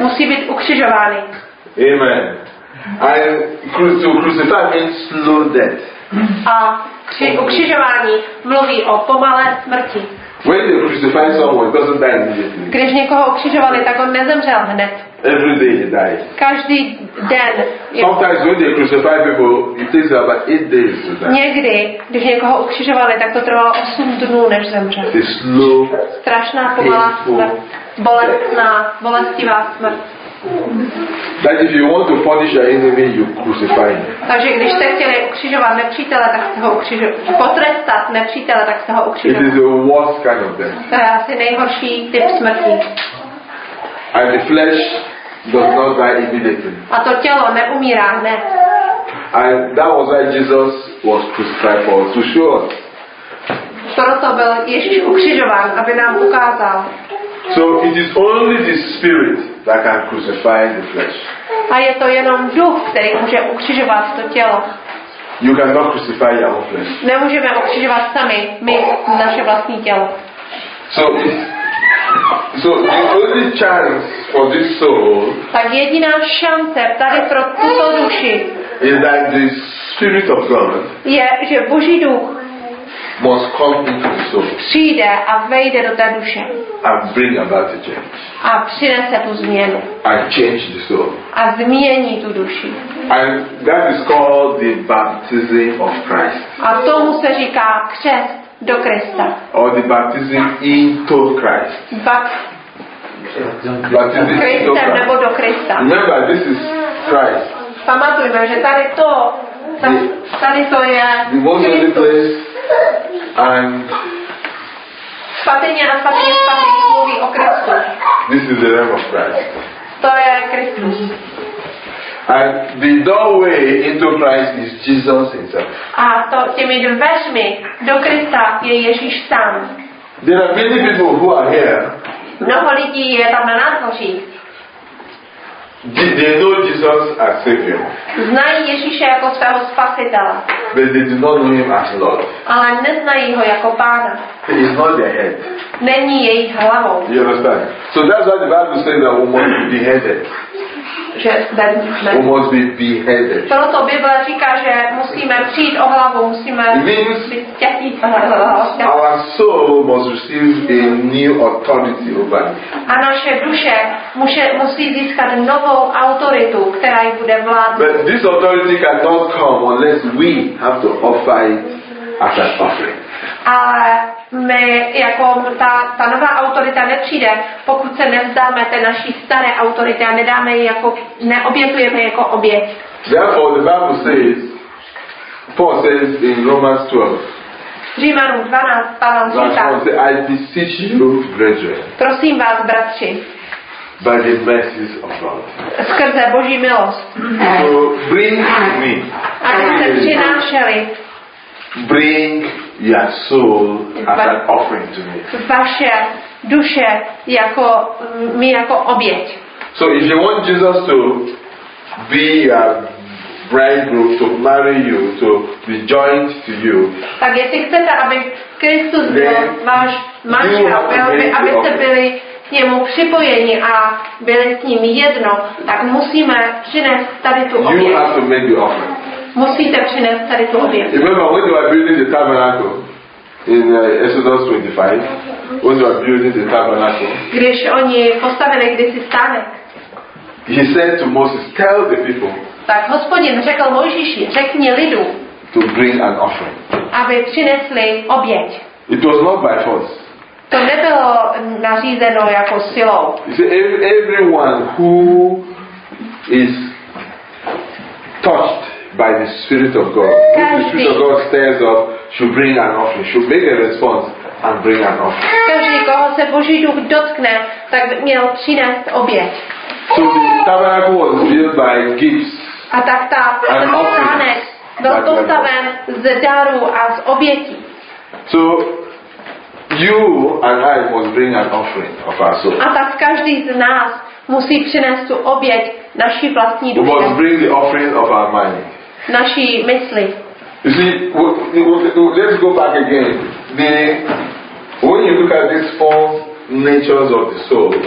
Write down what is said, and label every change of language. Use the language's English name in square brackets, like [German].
[Czech] Musí být ukřižovány. [English] Amen. To crucify means slow death. [Czech] A ukřižování mluví o pomalé smrti. [English] When they crucify someone, doesn't die immediately. [Czech] Když někoho ukřižovali, tak on nezemřel hned. [English] Every day he dies. [Czech] Každý den. [English] Sometimes when they crucify people, it takes about 8 days to die. [Czech] Někdy, když někoho ukřižovali, tak to trvalo 8 dnů, než zemřel. [English] The slow, [Czech] strašná, pomalá smrt. Bolestná, bolestivá smrt. [English] That if you want to punish your enemy, you crucify him. [Czech] Takže když jste chtěli ukřižovat nepřítele, tak jste ho ukřižovali. Potrestat nepřítele, tak jste ho ukřižovali. [English] It is the worst kind of death. [Czech] To je asi nejhorší typ smrti. [English] And the flesh does not die immediately. [Czech] A to tělo neumírá, ne. [English] And that was why Jesus was crucified for us, to show us. [Czech] Proto byl Ježíš ukřižován, aby nám ukázal. [English] So it is only the spirit that can crucify the flesh. [Czech] A je to jenom duch, který může ukřižovat to tělo. [English] You cannot crucify your own flesh. [Czech] Nemůžeme ukřižovat sami my naše vlastní tělo. [English] So the only chance for this soul. [Czech] Tak jediná šance tady pro tuto duši. [English] Is that the spirit of God. [Czech] Je, že Boží duch. [English] Must come into the soul. [Czech] Přijde a vejde do té duše. [English] And bring about a change. [Czech] A přinese tu změnu. [English] And change the soul. [Czech] A změní tu duši. [English] And that is called the baptism of Christ. [Czech] A tomu se říká křest do Krista. [English] Or the baptism into Christ. [Czech] Baptism Kristem nebo do Krista. [English] Remember, this is Christ. [Czech] Pamatujme, že tady to je Kristus. And patrně na patrně spadne mluví o Kristu. [English] This is the name of Christ. [Czech] To je Kristus. [English] And the doorway into Christ is Jesus himself. [Czech] A to těmi dveřmi do Krista je Ježíš sám. [English] There are many people who are here. [Czech] Mnoho lidí je tam na nádvoří. [English] They know Jesus as Savior. [Czech] Znají Ježíše jako svého spasitele. [English] But they do not know him as Lord. [Czech] Ale neznají ho jako Pána. [English] He is not their head. [Czech] Není jejich hlavou. [English] You understand? So that's why the Bible says that we must be beheaded. [Czech] Že, [English] we must be beheaded. [Czech] Proto Bible říká, že musíme přijít o hlavu, musíme být těhý. [English] Our soul must receive a new authority over it. [Czech] A naše duše musí získat novou autoritu, která jí bude vládnout. [English] But this authority cannot come unless we have to offer it as an offering. [Czech] A my, jako ta nová autorita nepřijde, pokud se nevzdáme té naší staré autority a nedáme ji jako, neobětujeme jako oběť. [English] Therefore the Bible says, Paul says in Romans 12. [Czech] Římanům 12, Pavel říká. [English] I beseech you, brethren. [Czech] Prosím vás, bratři. [English] By the mercies of God. [Czech] Skrze Boží milost. [English] So bring me. [Czech] A když se přinášeli. [English] Bring me. your soul as an offering to me. [Czech] Vaše duše jako mi jako oběť. [English] So if you want Jesus to be a bridegroom, to marry you, to be joined to you. [Czech] Tak jestli chcete, aby Kristus byl váš manžel, abyste byli k němu připojeni a byli s ním jedno, tak musíme přinést tady tu oběť. [English] You have to make the offering. [Czech] Musíte přinést tady tu oběť. [English] Remember when you are building the tabernacle in Exodus 25, when you are building the tabernacle, [Czech] když oni postavili kdysi stánek, [English] he said to Moses, tell the people, [Czech] tak Hospodin řekl Mojžíši, řekni lidu, [English] to bring an offering, [Czech] aby přinesli oběť. [English] It was not by force. [Czech] To nebylo nařízeno jako silou. [English] See, everyone who is touched by the Spirit of God, [Czech] každý, [English] the Spirit of God stirs up, should bring an offering, should make a response and bring an offering. [Czech] Každý, koho se Boží duch dotkne, tak měl přinést oběť. [English] So the tabernacle was built by gifts. [Czech] A tak ta stánek byl postaven z darů a z obětí. [English] So you and I must bring an offering of our soul. [Czech] A tak každý z nás musí přinést tu oběť naší vlastní duše. [English] We must bring the offering of our mind. [Czech] Naší mysli. [English] You see, let's go back again. When you look at these four natures of the soul,